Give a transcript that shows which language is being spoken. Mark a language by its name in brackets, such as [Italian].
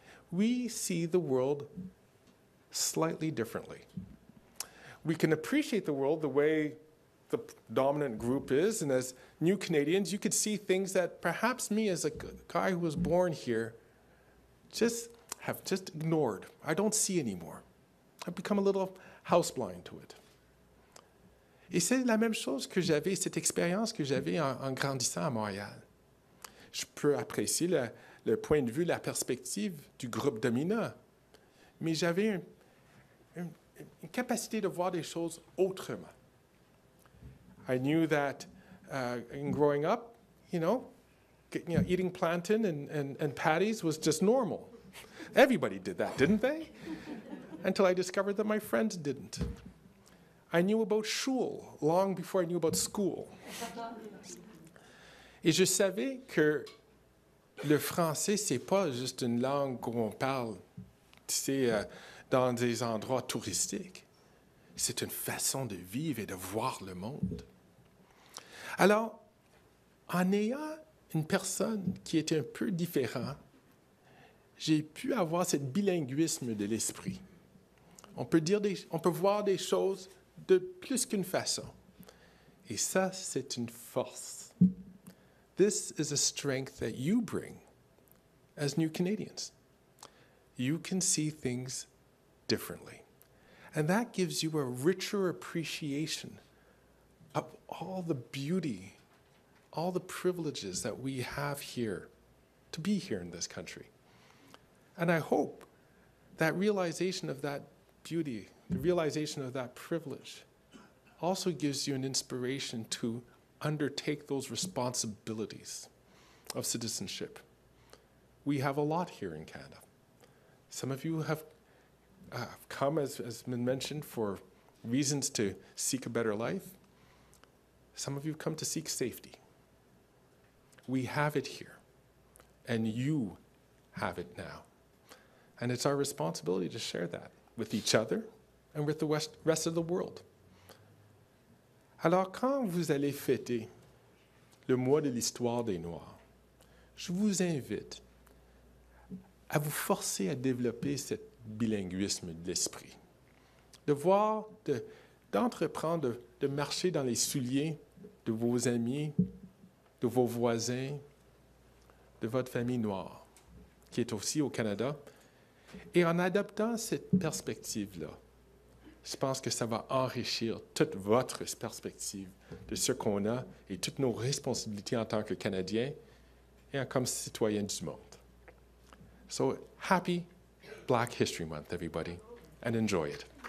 [English] We see the world slightly differently. We can appreciate the world the way the dominant group is, and as new Canadians, you could see things that perhaps me as a guy who was born here just have just ignored. I don't see anymore. I've become a little house blind to it. [French] Et c'est la même chose que j'avais, cette expérience que j'avais en grandissant à Montréal. Je peux apprécier le point de vue, la perspective du groupe dominant, mais j'avais une capacité de voir des choses autrement. [English] I knew that in growing up, eating plantain and patties was just normal. Everybody did that, didn't they? Until I discovered that my friends didn't. I knew about shul long before I knew about school. [French] Et je savais que le français, c'est pas juste une langue où on parle, tu sais, dans des endroits touristiques. C'est une façon de vivre et de voir le monde. Alors, en ayant une personne qui était un peu différent, j'ai pu avoir ce bilinguisme de l'esprit. On peut voir des choses de plus qu'une façon. Et ça, c'est une force. [English] This is a strength that you bring as new Canadians. You can see things differently. And that gives you a richer appreciation of all the beauty, all the privileges that we have here to be here in this country. And I hope that realization of that beauty, the realization of that privilege, also gives you an inspiration to undertake those responsibilities of citizenship. We have a lot here in Canada. Some of you have come, as has been mentioned, for reasons to seek a better life. Some of you have come to seek safety. We have it here, and you have it now. And it's our responsibility to share that with each other and with the rest of the world. [French] Alors, quand vous allez fêter le mois de l'histoire des Noirs, je vous invite à vous forcer à développer cet bilinguisme de l'esprit, de voir, d'entreprendre, de marcher dans les souliers de vos amis, de vos voisins, de votre famille noire, qui est aussi au Canada. Et en adoptant cette perspective-là, je pense que ça va enrichir toute votre perspective de ce qu'on a et toutes nos responsabilités en tant que Canadien et comme citoyen du monde. [English] So, happy Black History Month, everybody, and enjoy it.